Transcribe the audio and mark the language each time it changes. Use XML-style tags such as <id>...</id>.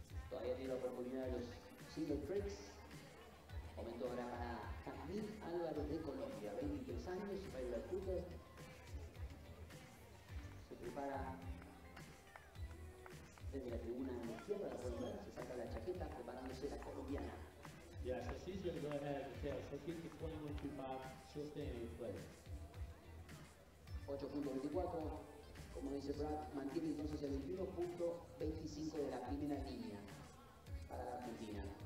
<es>Todavía tiene la oportunidad de los single tricks. Momento ahora para Camil Álvarez de Colombia, 23 años, para el shooter. Se prepara desde la tribuna de la izquierda, la segunda, se saca la chaqueta preparándose la colombiana.</es> <en>Yeah, so she's going to go ahead and tell, she'll keep the 21-25, she'll stay in place.</en> <es>8.24, como dice Brad, mantiene entonces el 21.25 de la primera línea para la Argentina.</es>